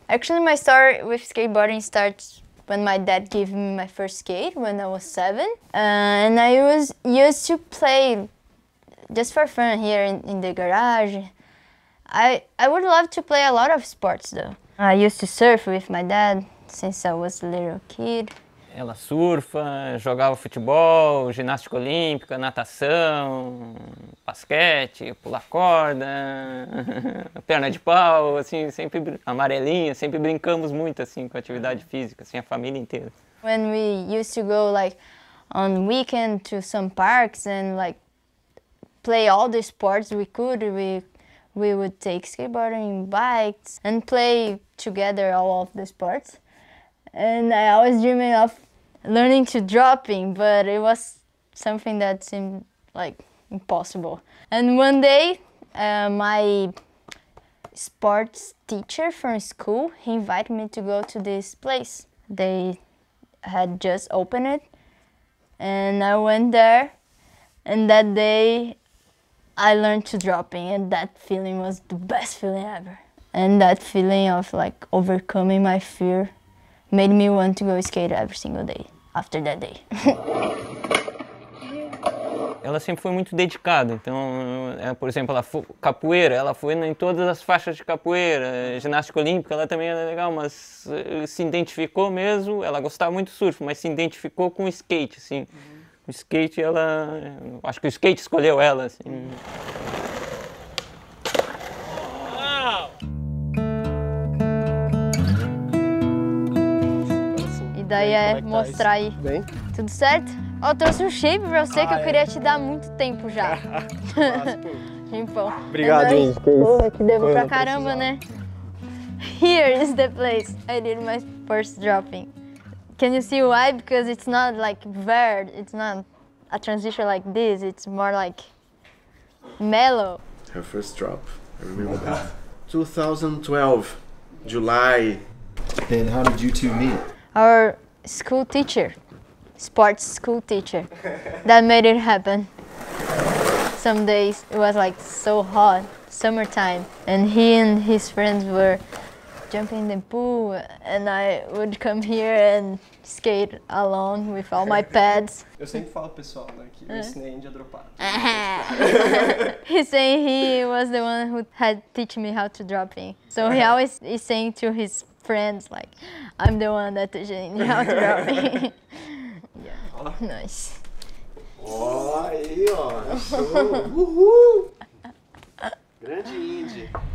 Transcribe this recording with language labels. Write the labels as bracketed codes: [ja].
[en] Actually, my story with skateboarding starts when my dad gave me my first skate when I was 7. And I was used to play just for fun here in the garage. I would love to play a lot of sports though. I used to surf with my dad since I was a little kid. [pt] Ela surfa, jogava futebol, ginástica olímpica, natação, basquete, pular corda, perna de pau, assim, sempre amarelinha, sempre brincamos muito assim com atividade física, assim, a família inteira. [en] When we used to go like on weekend to some parks and like play all the sports we could, we would take skateboarding, bikes and play together all of the sports. And I always dreaming of learning to dropping, but it was something that seemed like impossible. And one day, my sports teacher from school, he invited me to go to this place. They had just opened it, And I went there, and that day I learned to dropping, and that feeling was the best feeling ever. And that feeling of like overcoming my fear made me want to go skate every single day after that day. [pt] Ela sempre foi muito dedicada, então, por exemplo, ela foi, capoeira, ela foi em todas as faixas de capoeira, ginástica olímpica, ela também era legal, mas se identificou mesmo, ela gostava muito do surf, mas se identificou com o skate, assim. O skate, ela, acho que o skate escolheu ela, assim. E daí é mostrar aí. Bem? Tudo certo? Ó, oh, trouxe um shape pra você que eu queria te dar há muito tempo já. Limpão. Obrigado, hein? Porra, que devo pra caramba, precisava. Né? [en] Here is the place I did my first dropping. Can you see why? Because it's not like weird. It's not a transition like this. It's more like mellow. Her first drop. I remember that. 2012, July. And how did you two meet? Our school teacher. Sports school teacher that made it happen. Some days it was like so hot, summertime, and he and his friends were jumping in the pool, and I would come here and skate alone with all my pads. [pt] Eu sempre falo pessoal, né, que esse nem índia dropar. [en] He's saying he was the one who had teach me how to drop in. So he always is saying to his friends like, I'm the one that teach me how to drop in. Nice. [pt] Ó, oh, aí, ó. Show. Uhul. Grande Indy.